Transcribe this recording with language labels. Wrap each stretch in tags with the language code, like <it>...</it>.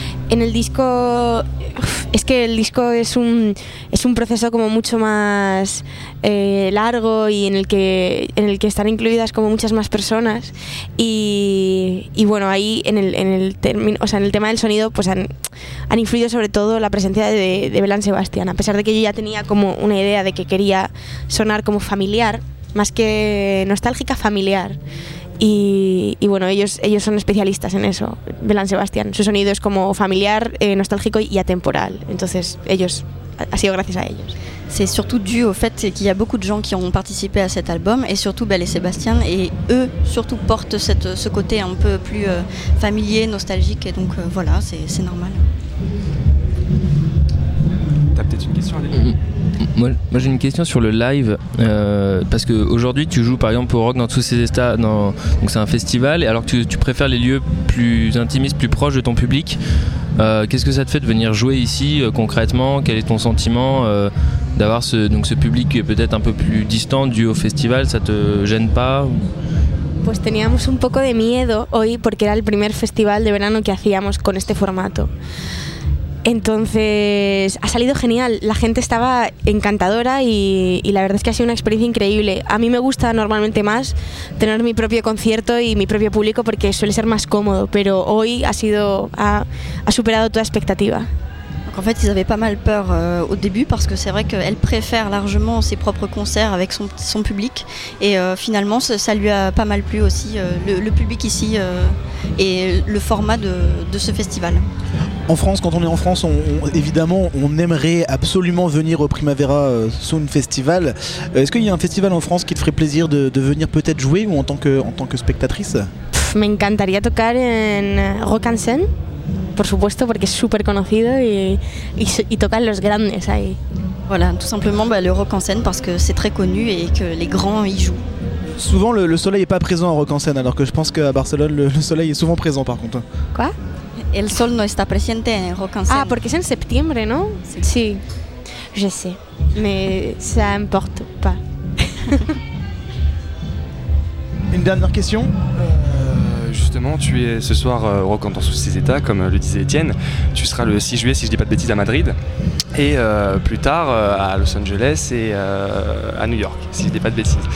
<es>En el disco, es que el disco es un proceso como mucho más largo y en el que están incluidas como muchas más personas y bueno, ahí en el tema del sonido pues han influido sobre todo la presencia de Belle and Sébastien, a pesar de que yo ya tenía como una idea de que quería sonar como familiar, más que nostálgica, familiar. Y bueno, ellos son especialistas en eso, Belle and Sébastien. Su sonido es como familiar, nostálgico y atemporal. Entonces, ellos ha sido gracias a ellos.</es> <fr>C'est surtout dû au fait qu'il y a beaucoup de gens qui ont participé à cet album, et surtout Belle et Sébastien, et eux surtout portent ce côté un peu plus familier, nostalgique, et donc voilà, c'est normal. T'as peut-être une question, Aline ? Moi j'ai une question sur le live, parce qu'aujourd'hui tu joues par exemple au Rock dans tous ces états, donc c'est un festival, et alors que tu préfères les lieux plus intimistes, plus proches de ton public, qu'est-ce que ça te fait de venir jouer ici concrètement ? Quel est ton sentiment d'avoir ce public qui est peut-être un peu plus distant dû au festival ? Ça te gêne pas ?</fr> <es>Pues teníamos un poco de miedo hoy porque era el primer festival de verano que hacíamos con este formato. Entonces, ha salido genial. La gente estaba encantadora y la verdad es que ha sido una experiencia increíble. A mí me gusta normalmente más tener mi propio concierto y mi propio público porque suele ser más cómodo, pero hoy ha superado toda expectativa.</es> <fr>En fait, ils avaient pas mal peur au début parce que c'est vrai qu'elle préfère largement ses propres concerts avec son public. Et finalement, ça lui a pas mal plu aussi, le public ici et le format de ce festival. En France, quand on est en France, évidemment, on aimerait absolument venir au Primavera Sound Festival. Est-ce qu'il y a un festival en France qui te ferait plaisir de venir peut-être jouer ou en tant que spectatrice ?</fr> <es>Me encantaría tocar en Rock and Scene. Por supuesto, porque es súper conocido y tocan los grandes ahí.</es> <fr>Voilà, tout simplement le Rock en Scène parce que c'est très connu et que les grands y jouent. Souvent le soleil n'est pas présent en Rock en Scène, alors que je pense qu'à Barcelone le soleil est souvent présent par contre. Quoi ?</fr> <es>El sol no está presente en Rock en Scène. Ah, porque es en septiembre, ¿no? Sí.</es> <fr>Je sais, mais ça importe pas. Une dernière question ? Justement, tu es ce soir Rock en tous ces états, comme le disait Étienne. Tu seras le 6 juillet, si je ne dis pas de bêtises, à Madrid. Et plus tard, à Los Angeles et à New York, si je ne dis pas de bêtises.</fr>